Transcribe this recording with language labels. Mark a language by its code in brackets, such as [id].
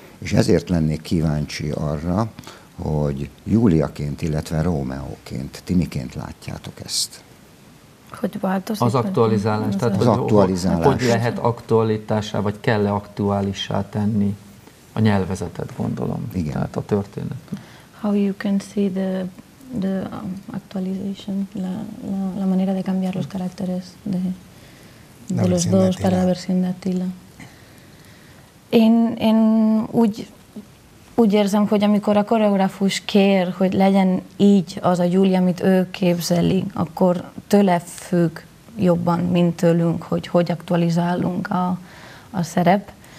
[hu] És ezért lennék kíváncsi arra, hogy Júliaként, illetve Rómeóként, ti miként látjátok ezt? Hogy változik? Az aktualizálás. Tehát az aktualizálás. Hogy lehet aktualitássá, vagy kell-e aktuálissá tenni a nyelvezetet, gondolom. Igen. Tehát a történet. [en] How you can see the actualization, [es] la manera de cambiar los caracteres de los dos para la versión de Attila. [hu] Én úgy érzem, hogy amikor a koreográfus kér, hogy legyen így az a Júlia, amit ő képzeli, akkor tőle függ jobban, mint tőlünk, hogy hogy aktualizálunk a szerep.